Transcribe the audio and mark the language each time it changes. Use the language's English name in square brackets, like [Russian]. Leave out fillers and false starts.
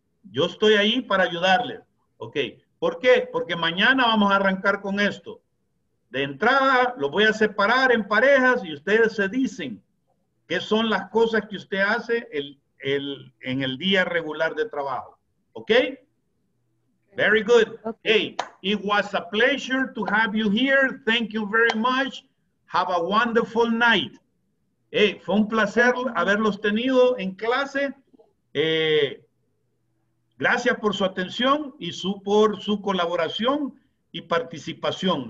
[Spanish] Yo estoy ahí para ayudarle. Okay. ¿Por qué? Porque mañana vamos a arrancar con esto. De entrada, lo voy a separar en parejas y ustedes se dicen qué son las cosas que usted hace en el día regular de trabajo. [English] Okay? Very good. Okay. Hey, it was a pleasure to have you here. Thank you very much. Have a wonderful night. [Spanish] Hey, fue un placer haberlos tenido en clase. Gracias por su atención y por su colaboración y participación.